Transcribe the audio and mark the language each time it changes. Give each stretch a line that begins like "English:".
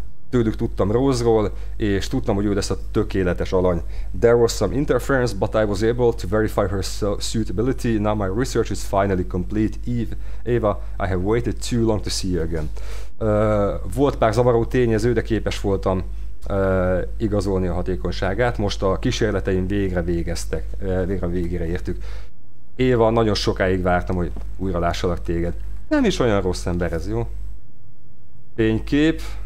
Hungarian: Tőlük tudtam Rose-ról, és tudtam, hogy ő lesz a tökéletes alany.
English: There was some interference, but I was able to verify her suitability. Now my research is finally complete. Eva, I have waited too long to see you again.
Hungarian: Volt pár zavaró tényező, de képes voltam igazolni a hatékonyságát. Most a kísérleteim végre végére értük. Eva, nagyon sokáig vártam, hogy újra lássalak téged. Nem is olyan rossz ember ez, jó? Fénykép.